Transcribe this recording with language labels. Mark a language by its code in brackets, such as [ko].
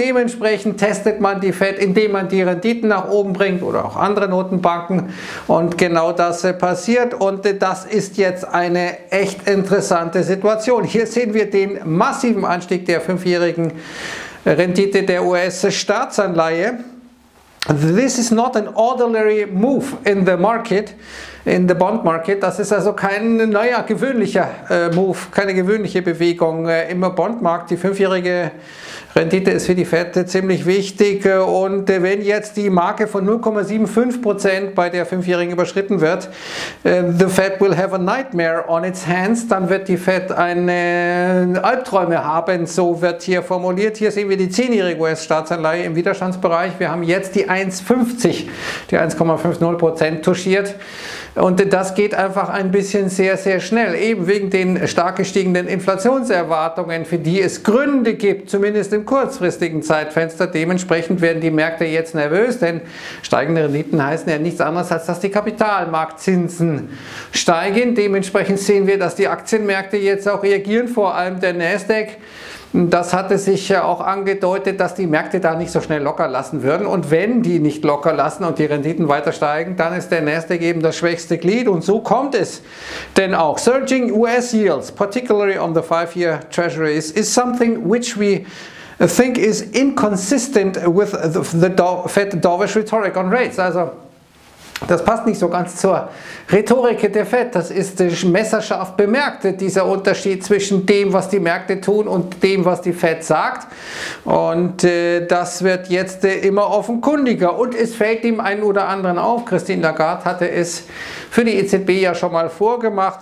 [de] Dementsprechend testet man die Fed, indem man die Renditen nach oben bringt oder auch andere Notenbanken, und genau das passiert, und das ist jetzt eine echt interessante Situation. Hier sehen wir den massiven Anstieg der fünfjährigen Rendite der US-Staatsanleihe. [en] This is not an ordinary move in the market, in the bond market. [de] Das ist also kein neuer, gewöhnlicher Move, keine gewöhnliche Bewegung im Bondmarkt. Die fünfjährige Rendite ist für die Fed ziemlich wichtig. Und wenn jetzt die Marke von 0,75% bei der fünfjährigen überschritten wird, [en] the Fed will have a nightmare on its hands. [de] Dann wird die Fed eine Albträume haben, so wird hier formuliert. Hier sehen wir die 10-jährige US-Staatsanleihe im Widerstandsbereich. Wir haben jetzt die 1,50, die 1,50% touchiert. Und das geht einfach ein bisschen sehr, sehr schnell, eben wegen den stark gestiegenen Inflationserwartungen, für die es Gründe gibt, zumindest im kurzfristigen Zeitfenster. Dementsprechend werden die Märkte jetzt nervös, denn steigende Renditen heißen ja nichts anderes, als dass die Kapitalmarktzinsen steigen. Dementsprechend sehen wir, dass die Aktienmärkte jetzt auch reagieren, vor allem der Nasdaq. Das hatte sich ja auch angedeutet, dass die Märkte da nicht so schnell locker lassen würden. Und wenn die nicht locker lassen und die Renditen weiter steigen, dann ist der Nasdaq eben das schwächste Glied. Und so kommt es. Denn auch [en] surging US yields, particularly on the 5-year treasuries, is something which we think is inconsistent with the Fed dovish rhetoric on rates. [de] Also, das passt nicht so ganz zur Rhetorik der Fed. Das ist messerscharf bemerkt, dieser Unterschied zwischen dem, was die Märkte tun, und dem, was die Fed sagt. Und das wird jetzt immer offenkundiger. Und es fällt dem einen oder anderen auf. Christine Lagarde hatte es für die EZB ja schon mal vorgemacht.